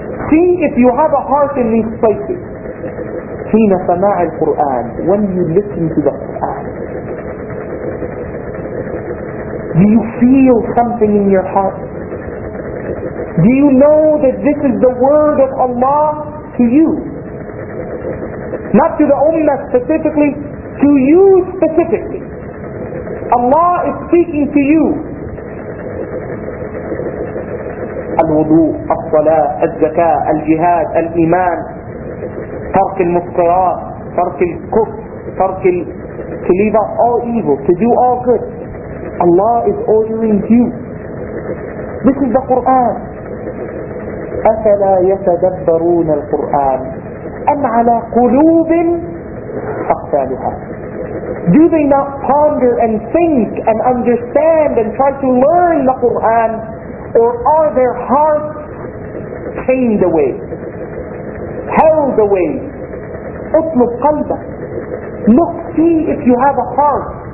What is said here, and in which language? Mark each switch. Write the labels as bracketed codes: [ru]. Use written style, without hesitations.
[en] See if you have a heart in these places. [ar] حين سماع القرآن, [en] when you listen to the Quran, do you feel something in your heart? Do you know that this is the word of Allah to you? Not to the Ummah specifically, to you specifically. Allah is speaking to you. [ar] الوضوء, الصلاة, الزكاة, الجهاد, الإيمان, ترك المسكرات, ترك الكفر, ترك ال... [en] to leave out all evil, to do all good. Allah is ordering you. This is the Quran. [ar] أفلا يتدبرون القرآن أم على قلوب أقفالها. [en] Do they not ponder and think and understand and try to learn the Quran? Or are their hearts chained away, held away? [ar] أطلب قلبك. [en] Look, see if you have a heart.